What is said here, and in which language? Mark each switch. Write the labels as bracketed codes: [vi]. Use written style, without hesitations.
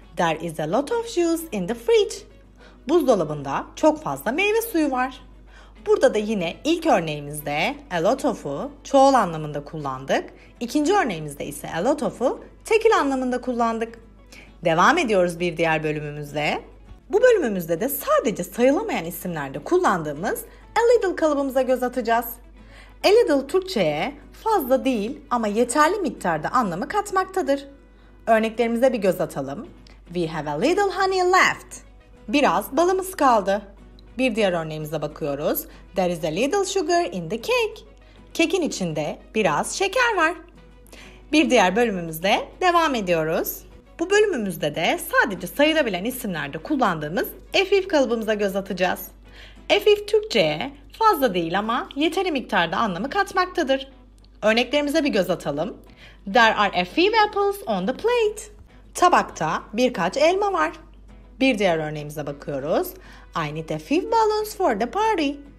[en] There is a lot of juice in the fridge. [tr] Buzdolabında çok fazla meyve suyu var. Burada da yine ilk örneğimizde a lot of'u çoğul anlamında kullandık. İkinci örneğimizde ise a lot of'u tekil anlamında kullandık. Devam ediyoruz bir diğer bölümümüzle. Bu bölümümüzde de sadece sayılamayan isimlerde kullandığımız a little kalıbımıza göz atacağız. A little Türkçe'ye fazla değil ama yeterli miktarda anlamı katmaktadır. Örneklerimize bir göz atalım. [en] We have a little honey left. [tr] Biraz balımız kaldı. Bir diğer örneğimize bakıyoruz. [en] There is a little sugar in the cake. [tr] Kekin içinde biraz şeker var. Bir diğer bölümümüzde devam ediyoruz. Bu bölümümüzde de sadece sayılabilen isimlerde kullandığımız afif kalıbımıza göz atacağız. Afif Türkçe'ye fazla değil ama yeteri miktarda anlamı katmaktadır. Örneklerimize bir göz atalım. [en] There are a few apples on the plate. [tr] Tabakta birkaç elma var. Bir diğer örneğimize bakıyoruz. [en] I need a few balloons for the party.